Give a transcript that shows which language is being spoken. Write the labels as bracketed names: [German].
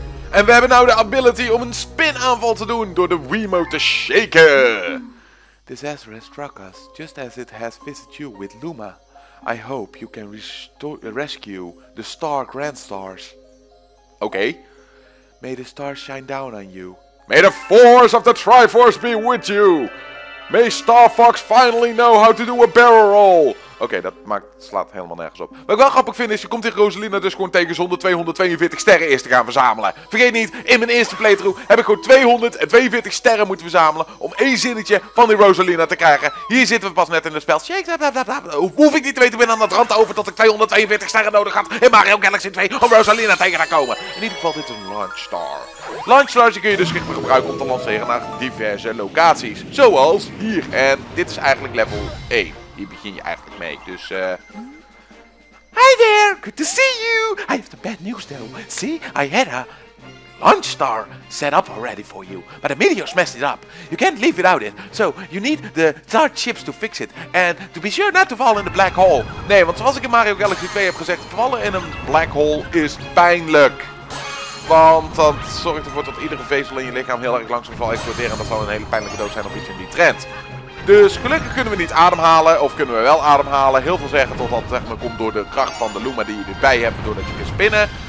[Dutch] En we hebben nou de ability om een spinaanval te doen door de Wiimote te shaken. [English] Disaster has struck us, just as it has visited you with Luma. I hope you can rescue the star grand stars. Okay. May the stars shine down on you. May the force of the Triforce be with you. May Star Fox finally know how to do a barrel roll. [Dutch] Oké, dat slaat helemaal nergens op. Wat ik wel grappig vind is, je komt hier Rosalina dus gewoon tegen zonder 242 sterren eerst te gaan verzamelen. Vergeet niet, in mijn eerste playthrough heb ik gewoon 242 sterren moeten verzamelen om één zinnetje van die Rosalina te krijgen. Hier zitten we pas net in het spel. Hoef ik niet te weten, ben aan het rand over dat ik 242 sterren nodig had in Mario Galaxy 2 om Rosalina tegen te komen. In ieder geval, dit is een Launch Star. Launch Stars kun je dus gebruiken om te lanceren naar diverse locaties. Zoals hier. En dit is eigenlijk level 1. Hier begin je eigenlijk mee, dus [English] Hi there, good to see you. I have the bad news though. See, I had a launch star set up already for you. But the meteor's messed it up. You can't leave without it. So, you need the star chips to fix it. And to be sure not to fall in the black hole. [Dutch] Nee, want zoals ik in Mario Galaxy 2 heb gezegd, vallen in een black hole is pijnlijk. Want dat zorgt ervoor dat iedere vezel in je lichaam heel erg langzaam zal exploderen. En dat zal een hele pijnlijke dood zijn of iets in die trend. Dus gelukkig kunnen we niet ademhalen, of kunnen we wel ademhalen. Heel veel zeggen dat dat zeg maar komt door de kracht van de Luma die je erbij hebt, doordat je kunt spinnen.